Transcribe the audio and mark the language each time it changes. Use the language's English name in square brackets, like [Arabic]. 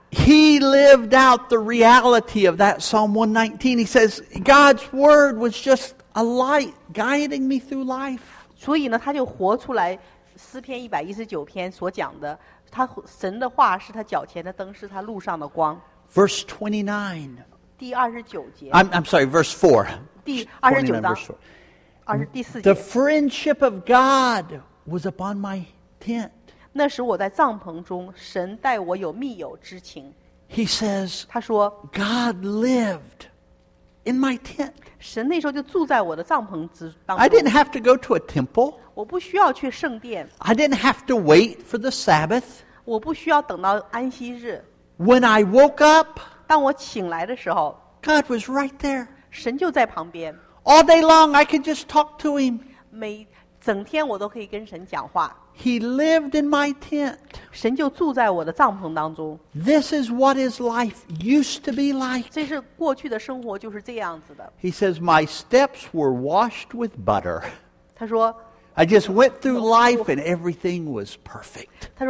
[English] He lived out the reality of that Psalm 119. He says, God's word was just a light guiding me through life. [Chinese] 所以呢，他就活出来诗篇119篇所讲的。他神的话是他脚前的灯，是他路上的光。 [English] Verse 29. [Chinese] 第29节。 [English] I'm sorry, verse 4. [Chinese] 第29章。24节。 [English] The friendship of God was upon my tent. [Chinese] 那时我在帐篷中，神待我有密友之情。 [English] He says, [Chinese] 他说, [English] God lived in my tent. [Chinese] 神那时候就住在我的帐篷之当中。 [English] I didn't have to go to a temple. [Chinese] 我不需要去圣殿。 [English] I didn't have to wait for the Sabbath. [Chinese] 我不需要等到安息日。 [English] When I woke up, [Chinese] 当我醒来的时候, [English] God was right there. [Chinese] 神就在旁边。 [English] All day long, I could just talk to him. [Chinese] 每整天我都可以跟神讲话。 [English] He lived in my tent. [Chinese] 神就住在我的帐篷当中。 [English] This is what his life used to be like. [Chinese] 这是过去的生活就是这样子的。 [English] He says, my steps were washed with butter. [Chinese] 他说, [English] I just went through life and everything was perfect.